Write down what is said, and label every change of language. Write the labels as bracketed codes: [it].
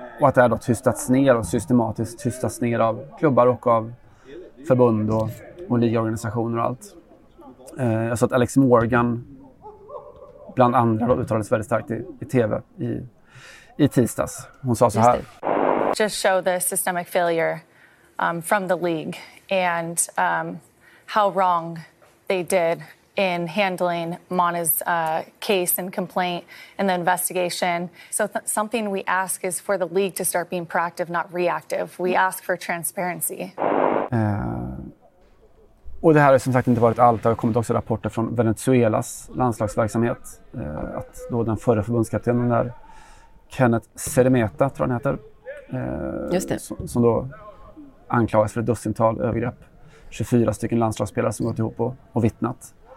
[sv] Och att det har tystats ner och systematiskt tystats ner av klubbar och av förbund och ligaorganisationer och allt. Jag sa att Alex Morgan bland andra då uttalades väldigt starkt i tv i tisdags. Hon sa så här. [en] Just show the systemic failure from the league and how wrong they did in handling Mona's case and complaint and the investigation. So something we ask is for the league to start being proactive, not reactive. We ask for transparency. [sv] Och det här har som sagt inte varit allt. Det har kommit också rapporter från Venezuelas landslagsverksamhet. Att då den förre förbundskaptenen där, Kenneth Ceremeta tror han heter. Just det. Som då anklagas för ett dussintal övergrepp. 24 stycken landslagsspelare som gått ihop och vittnat.